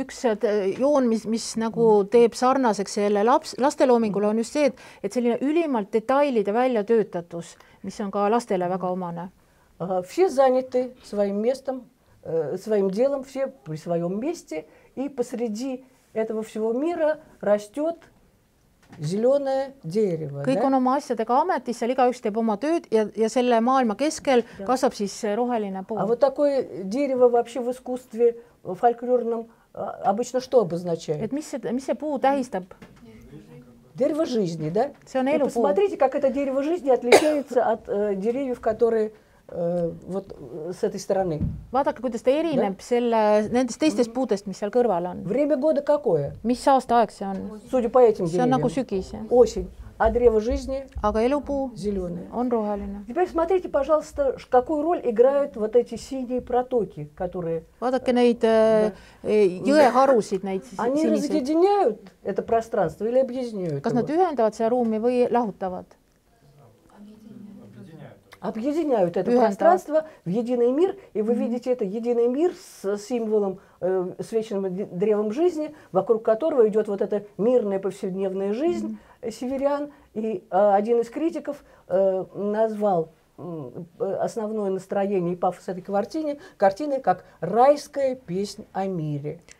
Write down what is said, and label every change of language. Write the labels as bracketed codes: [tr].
[et] Üks joon, mis nagu teeb sarnaseks selle lasteloomingule, on just see, et selline ülimalt detailide välja töötatus, mis on ka lastele väga omane. [ru] Все заняты своим местом, своим делом, все при своем месте, и посреди этого всего мира растет зеленое дерево. [et] Kõik on oma asjadega ametis, seal igaüks teeb oma tööd ja selle maailma keskel kasvab siis roheline puu. [ru] А вот такое дерево вообще в искусстве фольклорном обычно что обозначает? [et] Et mis see puu tähistab? [ru] Дерево жизни, да? [et] See on elupuu. [ru] Посмотрите, как это дерево жизни отличается от деревьев, которые вот с этой стороны. [et] Vaadake, kuidas ta erineb selle nendest teistest puudest, mis seal kõrval on. [ru] Время года какое? [et] Mis aasta aeg see on? [ru] Судя по этим деревьям. [et] See on nagu sügis. [ru] Осень. А древо жизни? [et] Aga elupuu? [ru] Зеленое. [et] On roheline. [ru] Теперь смотрите, пожалуйста, какую роль играют вот эти синие протоки, которые... [et] Vaadake neid jõeharusid, neid sinised. [ru] Они разъединяют это пространство или объединяют? [et] Kas nad ühendavad seda ruumi või lahutavad? [ru] Объединяют это пространство в единый мир, и вы видите, это единый мир с символом, свеченным древом жизни, вокруг которого идет вот эта мирная повседневная жизнь северян. И один из критиков назвал основное настроение и пафос этой картины как «Райская песнь о мире».